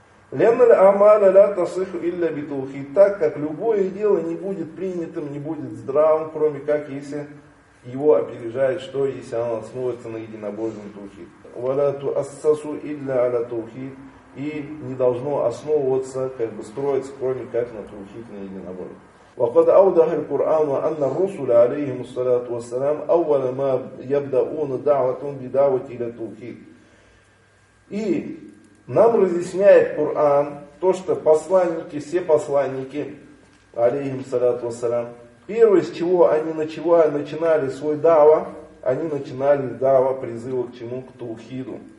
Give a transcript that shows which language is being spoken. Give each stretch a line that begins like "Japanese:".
Arabic: Леннал амаля ля тасиху илля битухид.
Russian: Так как любое дело не будет принятым, не будет здравым, кроме как если его опережает, что если оно основывается на единобожном тухид.
Arabic: Валя ту ассасу илля аля тухид.
Russian: И не должно основываться, как бы строиться, кроме как на тухид, на единобожном.
Arabic: وقد أوضح القرآن أن الرسل عليهم الصلاة والسلام أول ما يبدأون دعوة بدعوة إلى التوحيد.
Russian: И нам разъясняет Коран то, что посланники, все посланники, алейхим саляту вассалям, первое, с чего они начинали свой дава, они начинали дава призыва к чему? К таухиду.